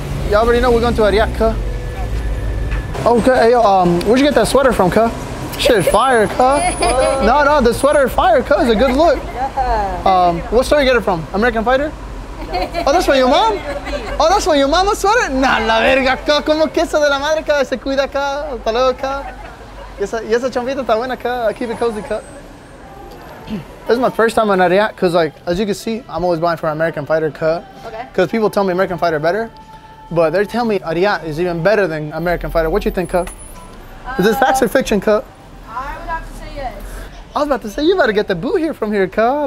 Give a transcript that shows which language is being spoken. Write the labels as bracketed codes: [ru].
[en] Y'all already know we're going to Ariac, cuh. Okay, hey, where'd you get that sweater from, cuh? Shit, fire, cuh. No, the sweater is fire, cuh. It's a good look. What store you get it from? American Fighter? Oh, that's from your mom? Oh, that's from your mama's sweater? [es] Nah, la verga, cuh. Como queso de la madre, cuh. Se cuida, cuh. Hasta luego, cuh. Y esa chambita está buena, cuh. [en] I keep it cozy, cuh. This is my first time in Ariac, cuh. Like, as you can see, I'm always buying from American Fighter, cuh. Okay. Cuz people tell me American Fighter better. But they're telling me Ariat is even better than American Fighter. What you think, cuh? Is this fact or fiction, cuh? I would have to say yes. I was about to say, you better get the boo here from here, cuh.